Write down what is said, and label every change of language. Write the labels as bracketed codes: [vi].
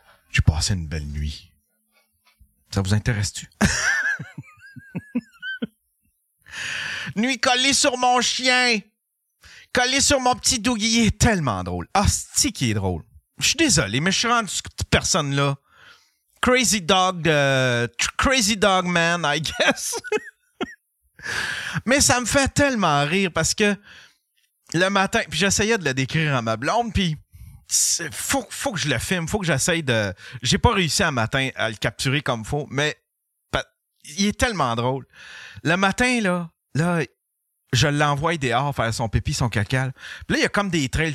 [fr] J'ai passé une belle nuit. Ça vous intéresse-tu? Nuit collée sur mon chien. Collée sur mon petit Dougie. Il est tellement drôle. Hostie qui est drôle. Je suis désolé, mais je suis rendu cette personne-là. [en] Crazy dog, crazy dog man, I guess. [fr] Mais ça me fait tellement rire parce que le matin, puis j'essayais de le décrire à ma blonde, puis faut que je le filme, faut que j'essaye de... J'ai pas réussi un matin à le capturer comme faut, mais il est tellement drôle. Le matin, là, je l'envoie dehors faire son pipi, son caca. Puis là, il y a comme des trails.